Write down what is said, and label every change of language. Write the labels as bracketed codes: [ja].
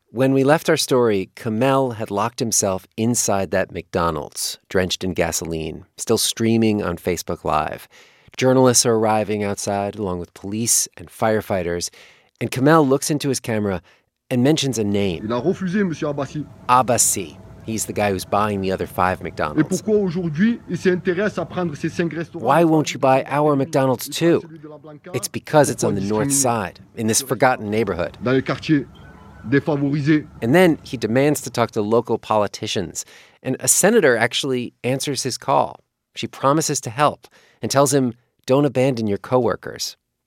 [en] When we left our story, Kamel had locked himself inside that McDonald's, drenched in gasoline, still streaming on Facebook Live. Journalists are arriving outside, along with police and firefighters. And Kamel looks into his camera and mentions a name. [fr] Il a refusé, Monsieur Abbassi. Abbassi. [en] He's the guy who's buying the other five McDonald's. [fr] Et pourquoi aujourd'hui il s'intéresse à prendre ces cinq restaurants? [en] Why won't you buy our McDonald's too? It's because it's on the north side, in this forgotten neighborhood. [fr] Dans les quartiers. [en] And then he demands to talk to local politicians. And a senator actually answers his call. She promises to help and tells him, don't abandon your coworkers.